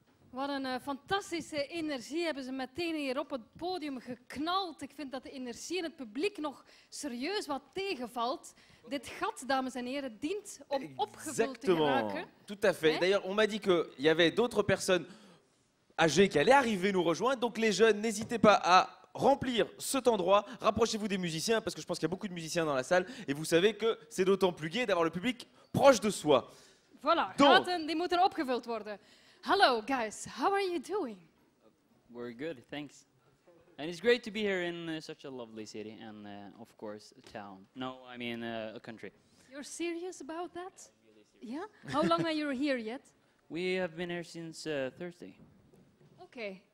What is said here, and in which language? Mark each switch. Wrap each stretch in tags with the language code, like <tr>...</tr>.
<nl>Wat een fantastische energie hebben ze meteen hier op het podium geknald. Ik vind dat de energie in het publiek nog serieus wat tegenvalt. Dit gat, dames en heren, dient om opgevuld te raken.</nl> <fr>Tout à fait. D'ailleurs, on m'a dit qu'il y avait d'autres personnes âgés qui allaient arriver nous rejoindre. Donc les jeunes, n'hésitez pas à remplir cet endroit. Rapprochez-vous des musiciens, parce que je pense qu'il y a beaucoup de musiciens dans la salle. Et vous savez que c'est d'autant plus gai d'avoir le public proche de soi.</fr> <nl>Voilà, gaten, die moeten opgevuld worden.</nl> <en>Hello, guys. How are you doing? We're good, thanks. And it's great to be here in such a lovely city and, of course, a town. No, I mean a country. You're serious about that? Yeah? How long are you here yet? We have been here since Thursday. Okay,</en>